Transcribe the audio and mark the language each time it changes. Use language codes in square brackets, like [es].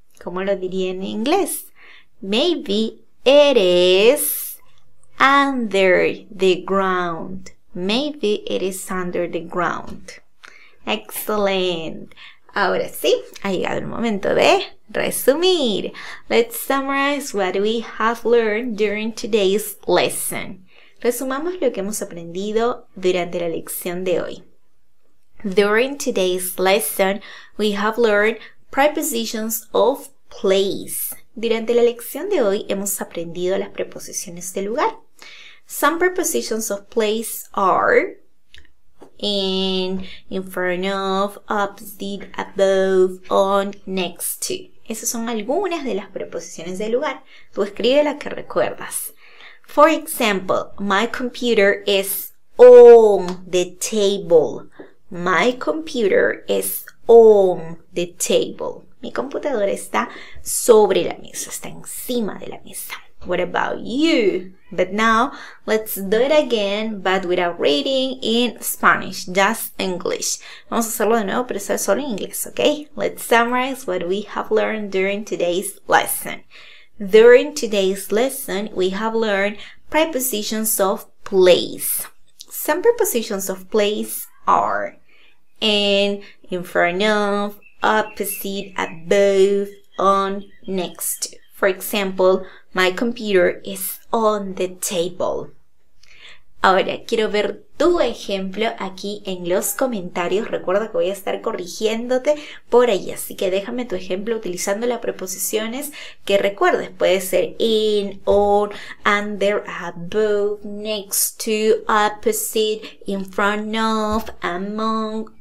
[es] ¿Cómo lo diría en inglés? [en] Maybe it is under the ground. Maybe it is under the ground. Excellent. [es] Ahora sí, ha llegado el momento de resumir. [en] Let's summarize what we have learned during today's lesson. [es] Resumamos lo que hemos aprendido durante la lección de hoy. [en] During today's lesson, we have learned prepositions of place. [es] Durante la lección de hoy, hemos aprendido las preposiciones de lugar. [en] Some prepositions of place are in front of, opposite, above, on, next to. [es] Esas son algunas de las preposiciones de lugar. Tú escribe las que recuerdas. [en] For example, my computer is on the table. My computer is on the table. [es] Mi computadora está sobre la mesa, está encima de la mesa. [en] What about you? But now, let's do it again, but without reading in Spanish, just English. [es] Vamos a hacerlo de nuevo, pero eso es solo en inglés, ¿ok? [en] Let's summarize what we have learned during today's lesson. During today's lesson, we have learned prepositions of place. Some prepositions of place are in front of, opposite, above, on, next. For example, my computer is on the table. [es] Ahora, quiero ver tu ejemplo aquí en los comentarios. Recuerda que voy a estar corrigiéndote por ahí. Así que déjame tu ejemplo utilizando las preposiciones que recuerdes. Puede ser in, on, under, above, next to, opposite, in front of, among.